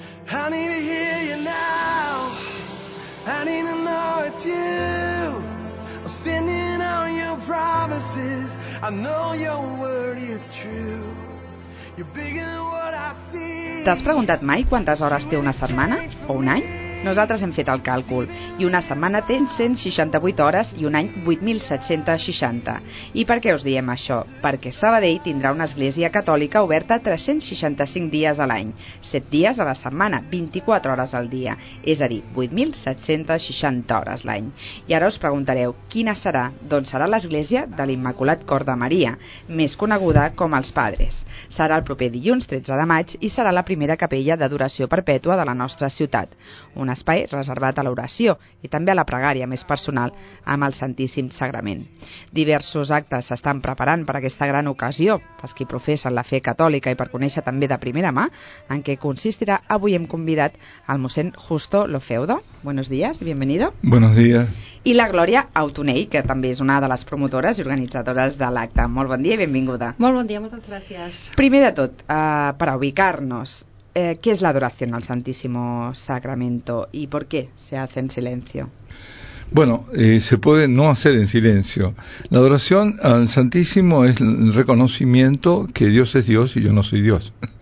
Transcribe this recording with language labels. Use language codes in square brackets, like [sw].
[en] I need to hear you now. I need to know it's you. I'm standing on your promises. I know your word is true. You're bigger than what I see. [ca] T'has preguntat mai quantes hores té una setmana o un any? Nosaltres hem fet el càlcul i una setmana té 168 hores i un any 8.760. I per què us diem això? Perquè Sabadell tindrà una església catòlica oberta 365 dies a l'any, 7 dies a la setmana, 24 hores al dia, és a dir, 8.760 hores l'any. I ara us preguntareu, quina serà? Doncs serà l'església de l'Immaculat Cor de Maria, més coneguda com els Padres. Serà el proper dilluns 13 de maig i serà la primera capella d'adoració perpètua de la nostra ciutat. Un espai reservat a l'oració i també a la pregària més personal amb el Santíssim Sagrament. Diversos actes s'estan preparant per aquesta gran ocasió, pels qui professen la fe catòlica i per conèixer també de primera mà, en què consistirà. Avui hem convidat el mossèn Justo Lofeudo. [es] Buenos días, bienvenido. Buenos días. [ca] I la Glòria Autonell, que també és una de les promotores i organitzadores de l'acte. Molt bon dia i benvinguda. Molt bon dia, moltes gràcies. Primer de tot, per ubicar-nos, [es] ¿qué es la adoración al Santísimo Sacramento y por qué se hace en silencio? Bueno, se puede no hacer en silencio. La adoración al Santísimo es el reconocimiento que Dios es Dios y yo no soy Dios.